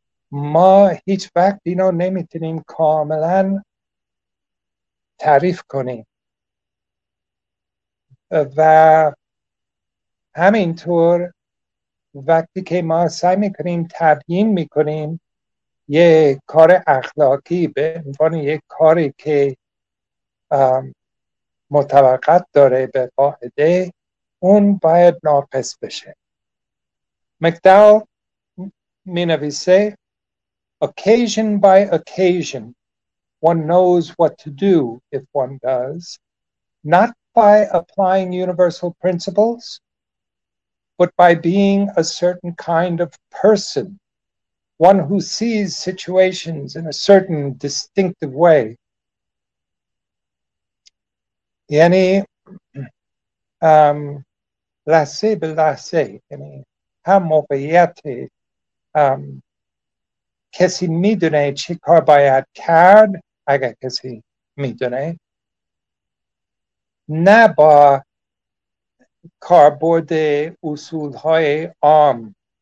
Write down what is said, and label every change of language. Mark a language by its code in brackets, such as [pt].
[fa] ما هیچ وقت اینو نمیتونیم کاملا تعریف کنیم و همینطور وقتی که ما سعی میکنیم تبیین میکنیم یه کار اخلاقی به عنوان یک کاری که مطابقت داره به قاعده، اون باید ناقص بشه. مکداول می نویسه [en] occasion by occasion one knows what to do if one does not by applying universal principles but by being a certain kind of person, one who sees situations in a certain distinctive way. [fa] یعنی لحظه به لحظه، یعنی هم موقعیت کسی میدونه چی کار باید کرد اگر کسی میدونه، نه با کاربرد اصول های عام،